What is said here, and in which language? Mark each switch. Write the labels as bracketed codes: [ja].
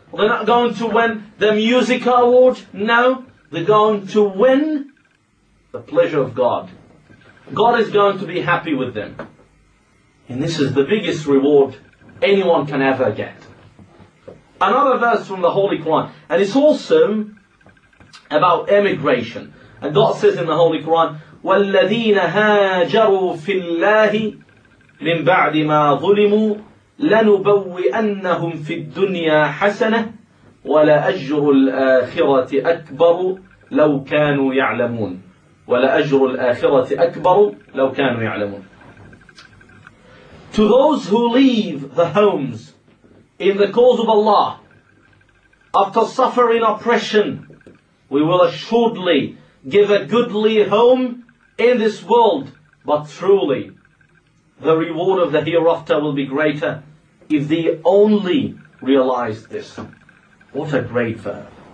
[en] They're not going to win the Music Award. No, they're going to win the pleasure of God. God is going to be happy with them. And this is the biggest reward anyone can ever get. Another verse from the Holy Quran. And it's also about emigration. And God says in the Holy Quran, [ar] وَالَّذِينَ هَاجَرُوا فِي اللَّهِ مِنْ بَعْدِ مَا ظُلِمُوا لَنُبَوِّئَنَّهُمْ فِي الدُّنْيَا حَسَنَةً وَلَأَجْرُ الْآخِرَةِ أَكْبَرُ لَوْ كَانُوا يَعْلَمُونَ وَلَأَجْرُ الْآخِرَةِ أَكْبَرُ لَوْ كَانُوا يَعْلَمُونَ. [en] To those who leave the homes in the cause of Allah after suffering oppression, we will assuredly give a goodly home in this world, but truly the reward of the hereafter will be greater if they only realize this. What a great verb.